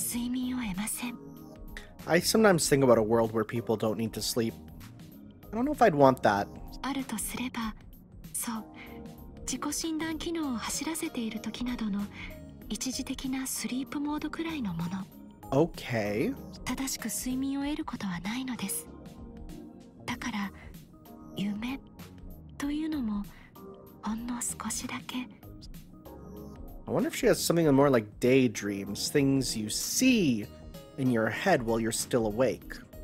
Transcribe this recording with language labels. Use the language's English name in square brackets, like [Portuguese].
[Japanese] どうしてもそれなものだからついそれでは改めてここにいる私は眠りません。あなたたちのようには地上の生物のようには睡眠を得ません。 [English] I sometimes think about a world where people don't need to sleep. I don't know if I'd want that. [Japanese] あるとすれば、そう自己診断機能を走らせている時などの一時的なスリープモードくらいのもの。 [English] Okay. [Japanese] 正しく睡眠を得ることはないのです。だから夢というのもほんの少しだけ。 [English] I wonder if she has something more like daydreams, things you see in your head while you're still awake.